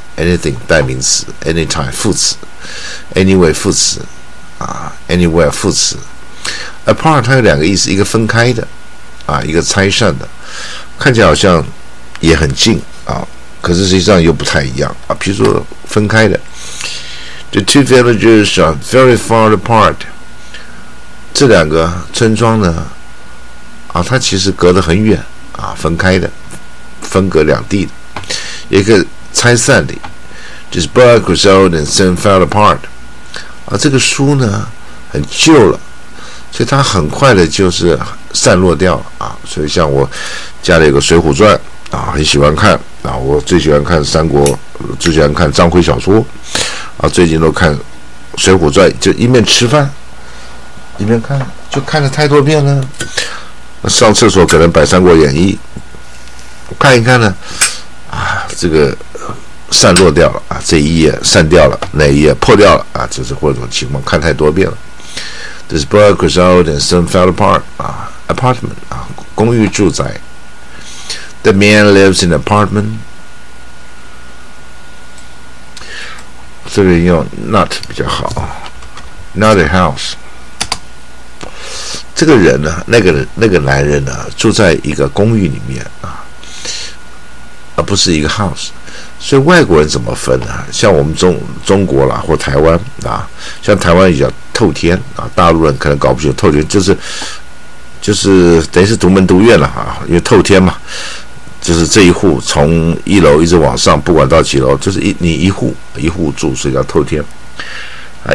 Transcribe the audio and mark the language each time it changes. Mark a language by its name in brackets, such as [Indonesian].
[Chinese] Anything 代名词 ，anytime 副词 ，anyway 副词，啊 ，anywhere 副词。 Apart 它有两个意思，一个分开的，啊，一个拆散的，看起来好像也很近啊，可是实际上又不太一样啊。比如说分开的。 [English] The two villages are very far apart. [Chinese] 这两个村庄呢，啊，它其实隔得很远啊，分开的，分隔两地的，一个拆散的。 [English] This book was old and soon fell apart. [Chinese] 啊，这个书呢很旧了，所以它很快的就是散落掉了啊。所以像我家里有个《水浒传》啊，很喜欢看啊，我最喜欢看三国，最喜欢看章回小说。啊，最近都看《水浒传》，就一面吃饭一面看，就看了太多遍了。上厕所可能摆《三国演义》，看一看呢，啊，这个散落掉了啊，这一页散掉了，那一页破掉了啊，就是或者这种情况，看太多遍了。 [English] This book was old and soon fell apart. [Chinese] 啊 ，apartment 啊，公寓住宅。 [English] The man lives in apartment. [Chinese] 这里用 not 比较好 ， [English] not a house。 [Chinese] 这个人呢，那个男人呢，住在一个公寓里面啊，而不是一个 house。所以外国人怎么分呢？像我们中国啦，或台湾啊，像台湾也叫透天啊，大陆人可能搞不清楚透天就是等于是独门独院了啊，因为透天嘛，就是这一户从一楼一直往上，不管到几楼，就是你一户住，所以叫透天啊。